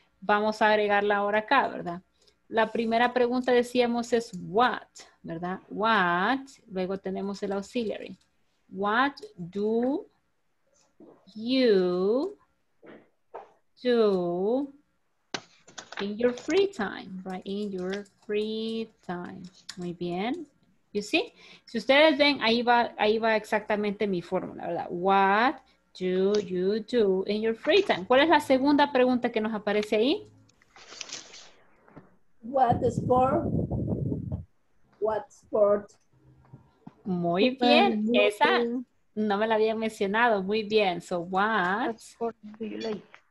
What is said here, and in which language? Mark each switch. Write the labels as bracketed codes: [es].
[es] Vamos a agregarla ahora acá, ¿verdad? La primera pregunta decíamos es what, ¿verdad? [en] What, [es] luego tenemos el [en] auxiliary. What do you do in your free time, right? In your free time. [es] Muy bien. [en] You see? [es] Si ustedes ven, ahí va exactamente mi fórmula, ¿verdad? [en] What do you do in your free time? [es] ¿Cuál es la segunda pregunta que nos aparece ahí? [en] What sport? [es] Muy bien, esa no me la había mencionado. Muy bien, [en] so what sport do you like?